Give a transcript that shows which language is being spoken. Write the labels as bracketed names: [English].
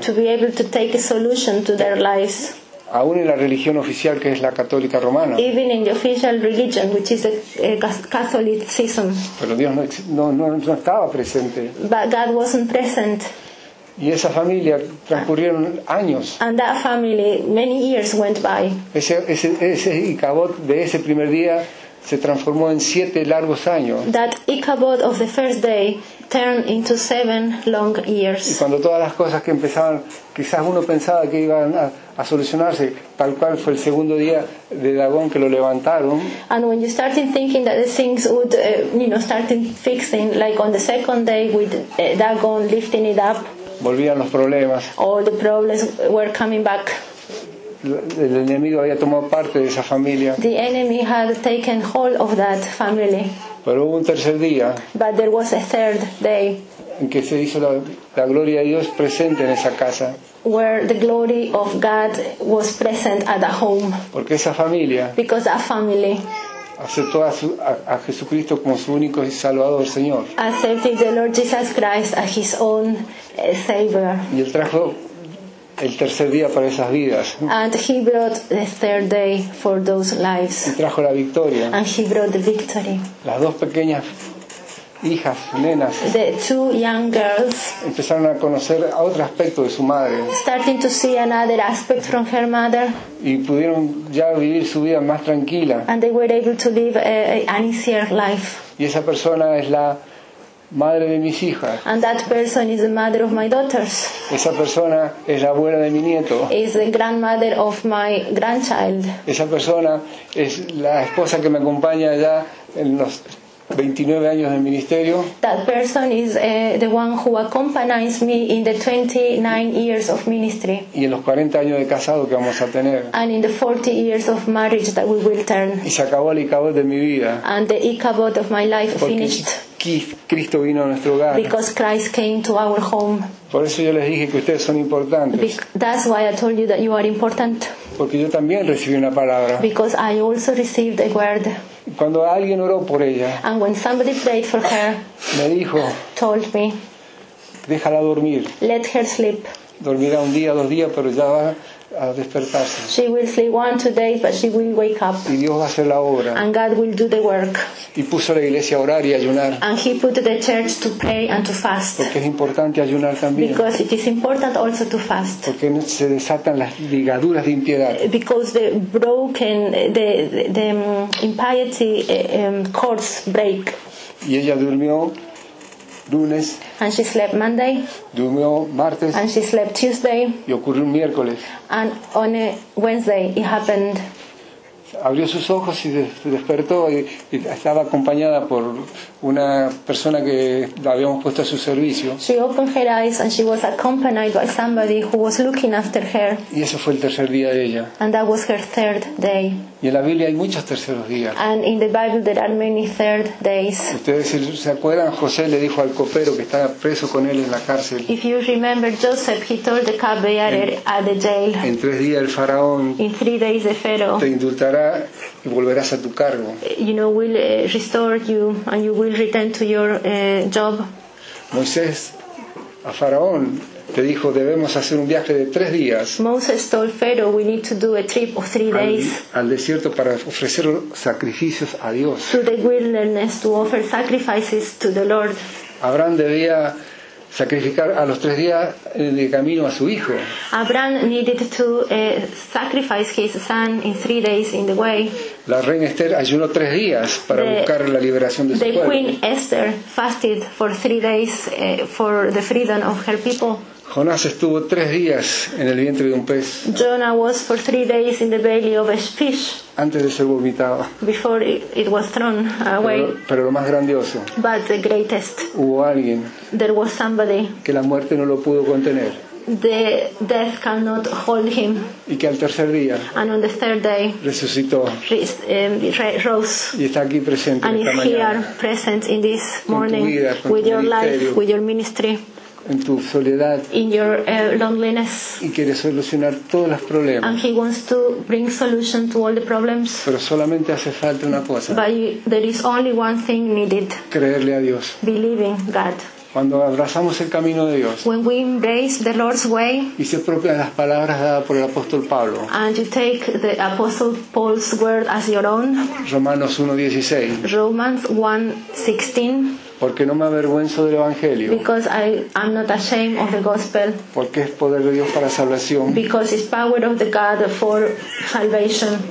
[English] To be able to take a solution to their lives. [Spanish] Aún en la religión oficial que es la católica romana. [English] Even in the official religion, which is Catholicism. [Spanish] Pero Dios no estaba presente. [English] But God wasn't present. [Spanish] Y esa familia transcurrieron años. [English] And that family, many years went by. [Spanish] Ese Ikabod de ese primer día se transformó en siete largos años. [English] That Ikabod of the first day turned into seven long years. [Spanish] Y cuando todas las cosas que empezaban, quizás uno pensaba que iban a solucionarse, tal cual fue el segundo día de Dagón que lo levantaron. [English] And when you started thinking that the things would, you know, started fixing, like on the second day with Dagón lifting it up. [Spanish] Volvían los problemas. [English] All the problems were coming back. [Spanish] El enemigo había tomado parte de esa familia. [English] The enemy had taken hold of that family. [Spanish] Pero hubo un tercer día. [English] But there was a third day. [Spanish] En que se hizo la gloria de Dios presente en esa casa. [English] Where the glory of God was present at the home. [Spanish] Porque esa familia. [English] Because that family. [Spanish] Aceptó a Jesucristo como su único y salvador Señor. [English] Accepted the Lord Jesus Christ as his own Savior. [Spanish] Y él trajo el tercer día para esas vidas. [English] And he brought the third day for those lives. [Spanish] Y trajo la victoria. [English] And he brought the victory. [Spanish] Las dos pequeñas hijas, nenas. [English] The two young girls. [Spanish] Empezaron a conocer a otro aspecto de su madre. [English] Starting to see another aspect from her mother. [Spanish] Y pudieron ya vivir su vida más tranquila. [English] And they were able to live an easier life. [Spanish] Y esa persona es la madre de mis hijas. [English] And that person is the mother of my daughters. [Spanish] Esa persona es la abuela de mi nieto. [English] Is the grandmother of my grandchild. [Spanish] Esa persona es la esposa que me acompaña ya en los 29 años de ministerio. [English] That person is the one who accompanies me in the 29 years of ministry. [Spanish] Y en los 40 años de casado que vamos a tener. [English] And in the 40 years of marriage that we will turn. [Spanish] Y se acabó el Ikabod de mi vida. [English] And the Ikabod of my life finished. [Spanish] Cristo vino a nuestro hogar. [English] Because Christ came to our home. [Spanish] Por eso yo les dije que ustedes son importantes. [English] That's why I told you that you are important. [Spanish] Porque yo también recibí una palabra. [English] Because I also received a word. [Spanish] Cuando alguien oró por ella. [English] And when somebody prayed for her. [Spanish] Me dijo. [English] Told me. [Spanish] Déjala dormir. [English] Let her sleep. [Spanish] Dormirá un día, dos días, pero ya va, a despertarse. [English] She will sleep one today, but she will wake up. [Spanish] Y Dios va a hacer la obra. [English] And God will do the work. [Spanish] Y puso la iglesia a orar y ayunar. [English] And he put the church to pray and to fast. [Spanish] Porque es importante ayunar también. [English] Because it is important also to fast. [Spanish] Porque se desatan las ligaduras de impiedad. [English] Because the broken, the impiety cords break. [Spanish] Y ella durmió lunes. [English] And she slept Monday. [Spanish] Durmió martes. [English] And she slept Tuesday. [Spanish] Y ocurrió un miércoles. [English] And on a Wednesday it happened. [Spanish] Abrió sus ojos y despertó y estaba acompañada por una persona que la habíamos puesto a su servicio. [English] She opened her eyes and she was accompanied by somebody who was looking after her. [Spanish] Y ese fue el tercer día de ella. [English] And that was her third day. [Spanish] Y en la Biblia hay muchos terceros días. [English] And in the Bible there are many third days. [Spanish] Ustedes se acuerdan, José le dijo al copero que estaba preso con él en la cárcel. [English] If you remember, Joseph, he told the cupbearer at the jail. [Spanish] En tres días el faraón. [English] In 3 days the Pharaoh. [Spanish] Te indultará y volverás a tu cargo. [English] You know, will restore you and you will return to your job. [Spanish] Moisés a faraón te dijo, debemos hacer un viaje de 3 días. [English] Moses told Pharaoh, we need to do a trip of 3 days. [Spanish] Al desierto para ofrecer sacrificios a Dios. [English] To the wilderness to offer sacrifices to the Lord. [Spanish] Abraham debía sacrificar a los 3 días de camino a su hijo. [English] Abraham needed to sacrifice his son in 3 days in the way. [Spanish] La reina Esther ayunó 3 días para buscar la liberación de su pueblo. [English] The queen Esther fasted for 3 days for the freedom of her people. [Spanish] Jonás estuvo 3 días en el vientre de un pez. [English] Jonah was for 3 days in the belly of a fish. [Spanish] Antes de ser vomitado. [English] Before it was thrown away. [Spanish] Pero lo más grandioso. [English] But the greatest. [Spanish] Hubo alguien. [English] There was somebody. [Spanish] Que la muerte no lo pudo contener. [English] The death cannot hold him. [Spanish] Y que al tercer día. [English] And on the third day. [Spanish] Resucitó. [English] Rose. [Spanish] Y está aquí presente. [English] And [Spanish] esta [English] is [Spanish] mañana. [English] Here present in this morning. [Spanish] Con tu vida, con [English] with [Spanish] tu [English] your [Spanish] ministerio. [English] Life, with your ministry. [Spanish] En tu soledad. [English] In your loneliness. [Spanish] Y quiere solucionar todos los problemas. [English] And he wants to bring solution to all the problems. [Spanish] Pero solamente hace falta una cosa. [English] But there is only one thing needed. [Spanish] Creerle a Dios. [English] Believing God. [Spanish] Cuando abrazamos el camino de Dios. [English] When we embrace the Lord's way. [Spanish] Y se apropian las palabras dadas por el apóstol Pablo. [English] And you take the apostle Paul's word as your own. [Spanish] Romanos 1:16. [English] Romans 1:16. [Spanish] Porque no me avergüenzo del evangelio. [English] Because I am not ashamed of the gospel. [Spanish] Porque es poder de Dios para salvación. [English] Because it's power of the God for salvation.